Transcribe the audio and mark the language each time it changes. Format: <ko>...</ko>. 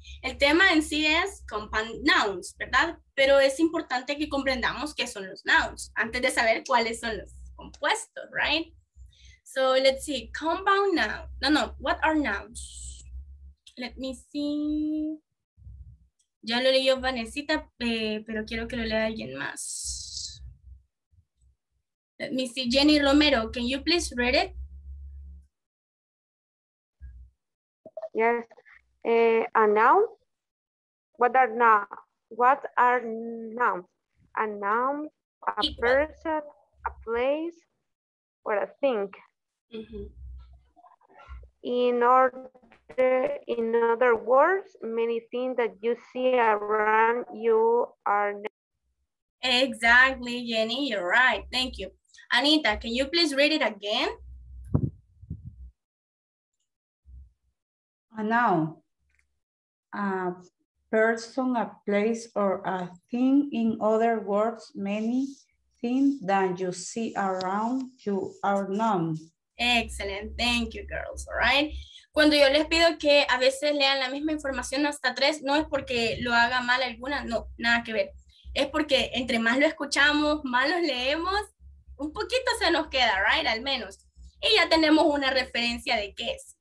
<es>El tema en sí es compound nouns, ¿verdad? Pero es importante que comprendamos qué son los nouns antes de saber cuáles son los compuestos, right?</es> <en>So let's see. Compound noun. No, no. What are nouns? Let me see.</en> <es>Ya lo leí yo, Vanesita, pero quiero que lo lea alguien más.</es> <en>Let me see, Jenny Romero, can you please read it? Yes, a noun, what are nouns? A noun, a person, a place, or a thing. Mm-hmm. In other words, many things that you see around you are nouns. Exactly, Jenny, you're right, thank you. Anita, can you please read it again? A noun, a person, a place, or a thing. In other words, many things that you see around you are noun. Excellent. Thank you, girls. All right.</en> <es>Cuando yo les pido que a veces lean la misma información hasta tres, no es porque lo haga mal alguna, no, nada que ver. Es porque entre más lo escuchamos, más lo leemos, un poquito se nos queda, right, al menos. Y ya tenemos una referencia de qué es.</es>